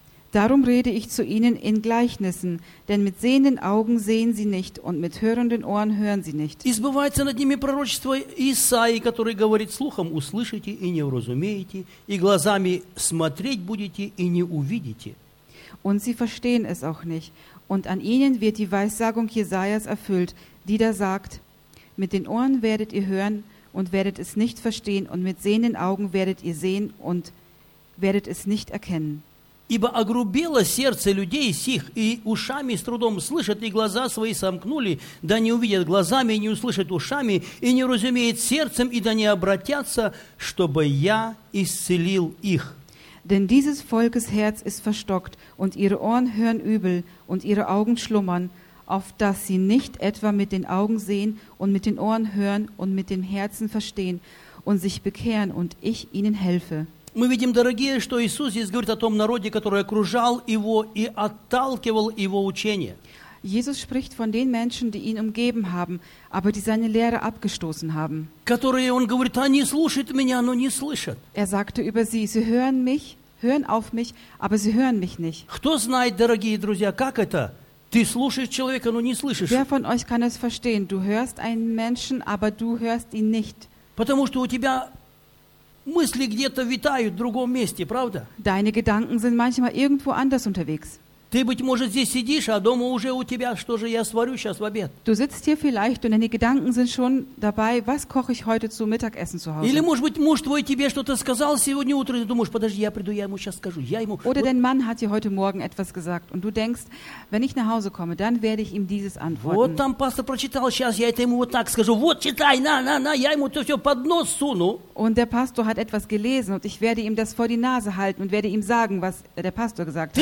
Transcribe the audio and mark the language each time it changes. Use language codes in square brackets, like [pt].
[de] Darum rede ich zu ihnen in Gleichnissen, denn mit sehenden Augen sehen sie nicht und mit hörenden Ohren hören sie nicht. [ru] И сбывается над ними пророчество Исаии, которое говорит: слухом услышите и не разумеете, и глазами смотреть будете и не увидите. [de] Und sie verstehen es auch nicht. Und an ihnen wird die Weissagung Jesajas erfüllt, die da sagt: Mit den Ohren werdet ihr hören und werdet es nicht verstehen, und mit sehenden Augen werdet ihr sehen und werdet es nicht erkennen. [ru] Ибо огрубело сердце людей сих, и ушами с трудом слышат, и глаза свои сомкнули, да не увидят глазами, и не услышат ушами, и не разумеет сердцем, и да не обратятся, чтобы я исцелил их. [de] Denn dieses Volkes Herz ist verstockt, und ihre Ohren hören übel, und ihre Augen schlummern, auf dass sie nicht etwa mit den Augen sehen und mit den Ohren hören und mit dem Herzen verstehen und sich bekehren und ich ihnen helfe. [ru] Мы видим, дорогие, что Иисус здесь говорит о том народе, который окружал его и отталкивал его учение. [de] Jesus spricht von den Menschen, die ihn umgeben haben, aber die seine Lehre abgestoßen haben. [ru] Которые, он говорит, они слушают меня, но не слышат. [de] Er sagte über sie: Sie hören mich, hören auf mich, aber sie hören mich nicht. [ru] Кто знает, дорогие друзья, как это? Ты слушаешь человека, но не слышишь. [de] Wer von euch kann es verstehen? Du hörst einen Menschen, aber du hörst ihn nicht. [ru] Потому что у тебя мысли где-то витают в другом месте, правда? [de] Deine Gedanken sind manchmal irgendwo anders unterwegs. [ru] Ты, быть может, здесь сидишь, а дома уже у тебя, что же я сварю сейчас в обед? [de] Du sitzt hier vielleicht und deine Gedanken sind schon dabei, was koche ich heute zum Mittagessen zu Hause? [ru] Или, может быть, муж твой тебе что-то сказал сегодня утром, и ты думаешь: подожди, я приду, я ему сейчас скажу, я ему... [de] Oder dein Mann hat dir heute Morgen etwas gesagt und du denkst: wenn ich nach Hause komme, dann werde ich ihm dieses antworten. [ru] Вот там пастор прочитал, сейчас я это ему вот так скажу, вот читай, на, я ему это все под нос суну. [de] Und der Pastor hat etwas gelesen und ich werde ihm das vor die Nase halten und werde ihm sagen, was der Pastor gesagt hat.